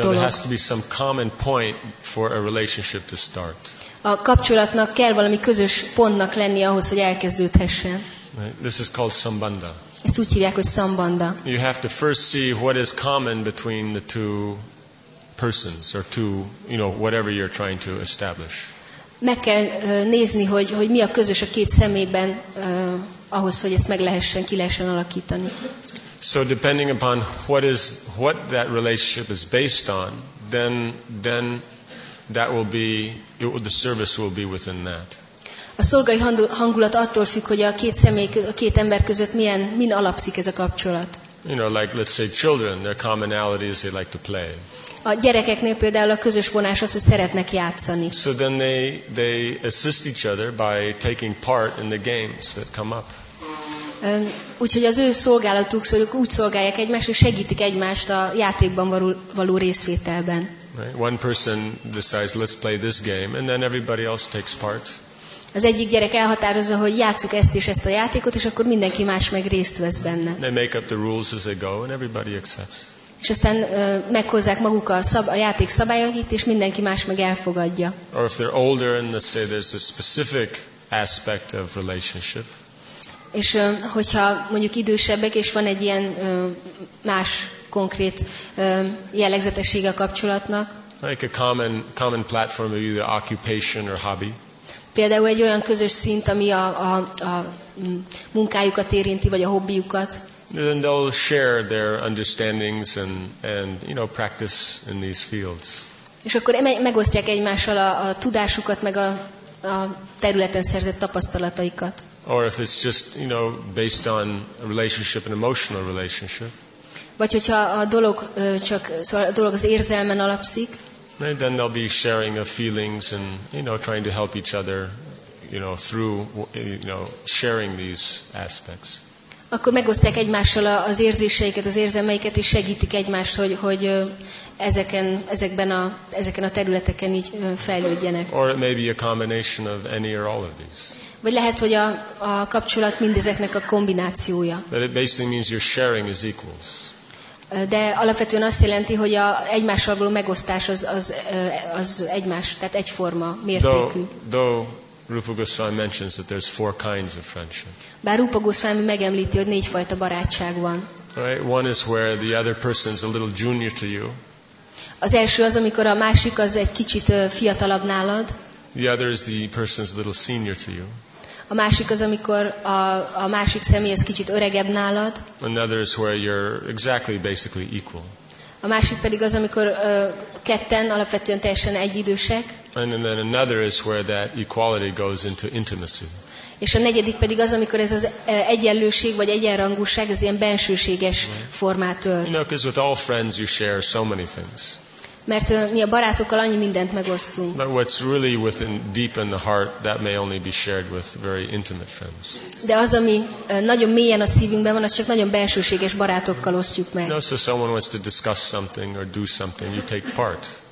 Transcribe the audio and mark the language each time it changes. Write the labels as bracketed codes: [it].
[en] There has to be some common point for a relationship to start. [hu] A kapcsolatnak kell valami közös pontnak lenni ahhoz, hogy elkezdődhessen. [en] This is called sambandha. [hu] Ezt úgy hívják, hogy szambanda. [en] You have to first see what is common between the two persons or two, you know, whatever you're trying to establish. [hu] Meg kell nézni, hogy mi a közös a két személyben ahhoz, hogy ezt ki lehessen alakítani. [en] So depending upon what that relationship is based on, then that will be the service will be within that. [hu] A szolgai hangulat attól függ, hogy a két ember között min alapszik ez a kapcsolat. [en] You know, like let's say children, their commonality is they like to play. [hu] A gyerekeknél például a közös vonás az, hogy szeretnek játszani. [en] So then they assist each other by taking part in the games that come up. [hu] Úgyhogy az ő szolgálatuk, szóval úgy szolgálják egymást, hogy segítik egymást a játékban való részvételben. [en] Right. One person decides, let's play this game, and then everybody else takes part. [hu] Az egyik gyerek elhatározza, hogy játsszuk ezt és ezt a játékot, és akkor mindenki más meg részt vesz benne. [en] They make up the rules as they go, and everybody accepts. [hu] És aztán meghozzák maguk a játék szabályait, és mindenki más meg elfogadja. [en] Or if they're older, and let's say there's a specific aspect of relationship. [hu] És hogyha mondjuk idősebbek, és van egy ilyen más konkrét jellegzetessége a kapcsolatnak. [en] Like a common platform of either occupation or hobby. [hu] Például egy olyan közös szint, ami a munkájukat érinti, vagy a hobbiukat. [en] Then they'll share their understandings and you know, practice in these fields. [hu] És akkor megosztják egymással a tudásukat, meg a területen szerzett tapasztalataikat. [en] Or if it's just, you know, based on a relationship, an emotional relationship. [hu] Vagy hogyha a dolog az érzelmen alapszik. [en] And then they'll be sharing of feelings and, you know, trying to help each other, you know, through, you know, sharing these aspects. [hu] Akkor megosztják egymással az érzéseiket, az érzelmeiket, és segítik egymást, hogy ezeken a területeken így fejlődjenek. [en] Or it may be a combination of any or all of these. [hu] Vagy lehet, hogy a kapcsolat mindezeknek a kombinációja. [en] But it basically means you're sharing as equals. [hu] De alapvetően azt jelenti, hogy egymással való megosztás az egymás, tehát egyforma mértékű. [en] Though Rupa Goswami mentions that there's four kinds of friendship. [hu] Bár Rupa Goswami megemlíti, hogy négyfajta barátság van. [en] Right? One is where the other person is a little junior to you. [hu] Az első az, amikor a másik az egy kicsit fiatalabb nálad. [en] The other is the person's a little senior to you. [hu] A másik az, amikor a másik személy az kicsit öregebb nálad. [en] Another is where you're exactly basically equal. [hu] A másik pedig az, amikor ketten alapvetően teljesen egyidősek. [en] And then another is where that equality goes into intimacy. [hu] És a negyedik pedig az, amikor ez az egyenlőség vagy egyenrangúság az ilyen bensőséges formát ölt. [en] You know, 'cause with all friends you share so many things. [hu] Mert mi a barátokkal annyi mindent megosztunk. [en] But what's really within deep in the heart that may only be shared with very intimate friends. [hu] De az, ami nagyon mélyen a szívünkben van, az csak nagyon bensőséges barátokkal osztjuk meg. [en] You know, so someone wants to discuss something or do something, you take part.